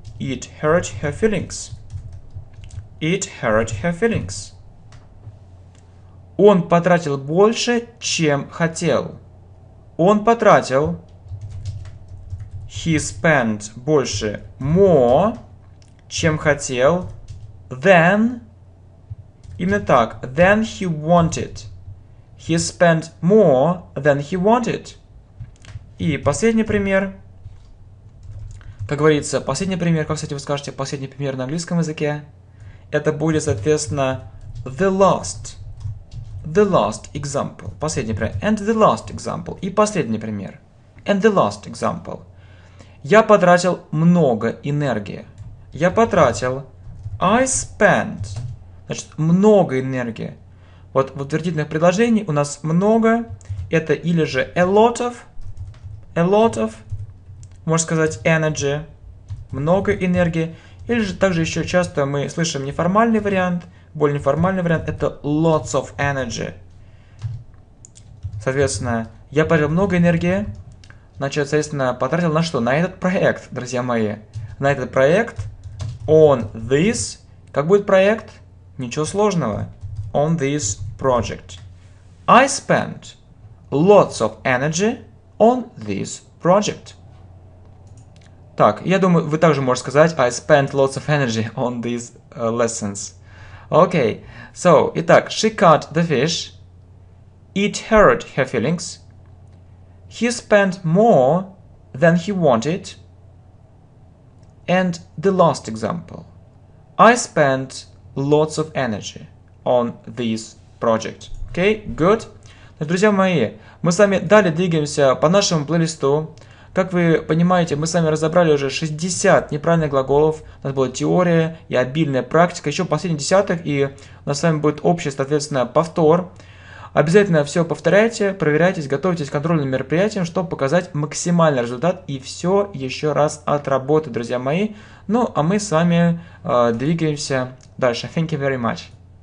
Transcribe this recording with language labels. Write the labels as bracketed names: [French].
[English] It hurt her feelings. It hurt her feelings. [Russian] Он потратил больше, чем хотел. Он потратил. [English] He spent [Russian] больше, [English] more, [Russian] чем хотел. [English] Then. [Russian] Именно так. [English] Than he wanted. He spent more than he wanted. [Russian] И последний пример. Как говорится, последний пример, как, кстати, вы скажете, последний пример на английском языке, это будет, соответственно, [English] the last example, [Russian] последний пример, [English] and the last example, [Russian] и последний пример, and the last example. Я потратил много энергии. Я потратил, [English] I spent, [Russian] значит, много энергии. Вот в утвердительных предложениях у нас много, это или же [English] a lot of, [Russian] можно сказать, energy, много энергии. Или же также еще часто мы слышим неформальный вариант, более неформальный вариант, это [English] lots of energy. [Russian] Соответственно, я потратил много энергии, значит, соответственно, потратил на что? На этот проект, друзья мои. На этот проект, [English] on this, [Russian] как будет проект? Ничего сложного. [English] On this project. I spent lots of energy on this project. [Russian] Так, я думаю, вы также можете сказать [English] I spent lots of energy on these lessons. Okay, so, [Russian] итак, [English] she caught the fish. It hurt her feelings. He spent more than he wanted. And the last example. I spent lots of energy on this project. Okay, good. [Russian] Друзья мои, мы с вами далее двигаемся по нашему плейлисту. Как вы понимаете, мы с вами разобрали уже 60 неправильных глаголов. У нас была теория и обильная практика. Еще последний десяток, и у нас с вами будет общий, соответственно, повтор. Обязательно все повторяйте, проверяйтесь, готовьтесь к контрольным мероприятиям, чтобы показать максимальный результат и все еще раз отработать, друзья мои. Ну, а мы с вами двигаемся дальше. [English] Thank you very much.